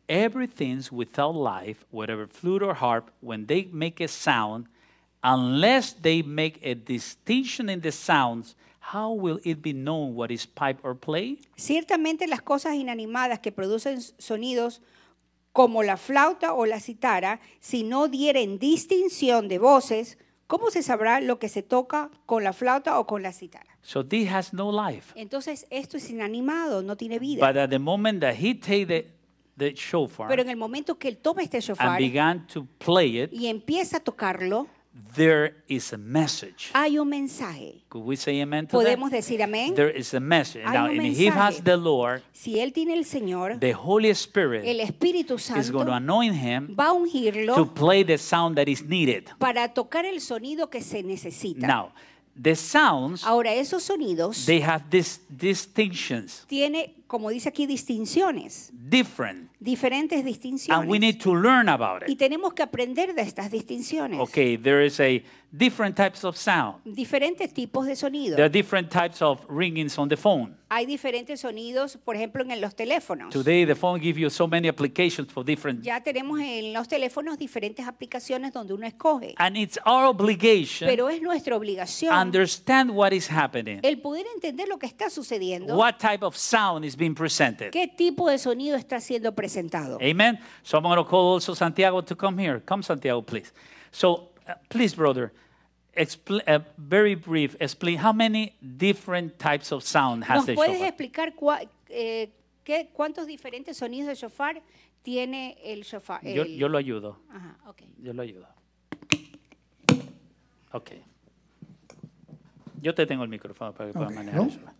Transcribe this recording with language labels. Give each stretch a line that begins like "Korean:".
English: Everything's without life, whatever flute or harp, when they make a sound, unless they make a distinction in the sounds, how will it be known what is pipe or play?
Spanish: Ciertamente las cosas inanimadas que producen sonidos como la flauta o la cítara, si no dieren distinción de voces, ¿cómo se sabrá lo que se toca con la flauta o con la cítara?
English: So this has no life.
Spanish: Entonces esto es inanimado, no tiene vida.
English: But at the moment that he take the the shofar.
Spanish: Pero en el momento que él toma este shofar
English: and began to play it,
Spanish: y empieza a tocarlo,
English: there is a message.
Spanish: Hay un mensaje.
English: Could we say amen to
Spanish: ¿Podemos
English: that?
Spanish: Decir amén?
English: There is a message.
Spanish: Hay
English: now,
Spanish: un
English: if he has the Lord,
Spanish: si él tiene el Señor,
English: the Holy Spirit,
Spanish: el Espíritu Santo,
English: is going to anoint him,
Spanish: va a ungirlo,
English: to play the sound that is needed.
Spanish: Para tocar el sonido que se necesita.
English: Now, the sounds,
Spanish: ahora esos sonidos,
English: they have distinctions.
Spanish: Tiene, como dice aquí, distinciones.
English: Different.
Spanish: Diferentes distinciones.
English: And we need to learn about it.
Spanish: Y tenemos que aprender de estas distinciones.
English: Okay, there is a different types of sound.
Spanish: Diferentes tipos de sonido.
English: There are different types of ringings on the phone.
Spanish: Hay diferentes sonidos, por ejemplo, en los teléfonos.
English: Today the phone gives you so many applications for different.
Spanish: Ya tenemos en los teléfonos diferentes aplicaciones donde uno escoge.
English: And it's our obligation.
Spanish: Pero es nuestra obligación.
English: Understand what is happening.
Spanish: El poder entender lo que está sucediendo.
English: What type of sound is being presented?
Spanish: ¿Qué tipo de sonido está siendo presentado? Amen.
English: So I'm going to call also Santiago to come here. Come, Santiago, please. So please, brother, very brief, explain how many different types of sound has the shofar.
Spanish: ¿Nos puedes explicar cuántos diferentes sonidos de shofar tiene el shofar? Yo lo ayudo. Ajá, okay. Yo lo ayudo. Okay. Yo te tengo el micrófono para que puedas manejar el shofar.